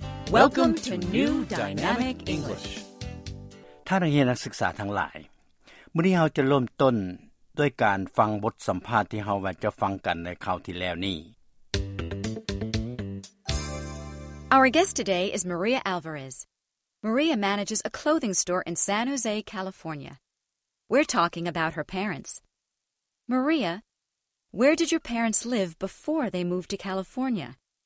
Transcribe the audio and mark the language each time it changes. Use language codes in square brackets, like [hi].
[en] Welcome to New Dynamic English. [th] ท่านนักเรียนนักศึกษาทั้งหลายมื้อนี้เราจะเริ่มต้นด้วยการฟังบทสัมภาษณ์ที่เราว่าจะฟังกันในคราวที่แล้วนี้ [en] Our guest today is Maria Alvarez. Maria manages a clothing store in San Jose, California. We're talking about her parents. Maria,Where did your parents live before they moved to California?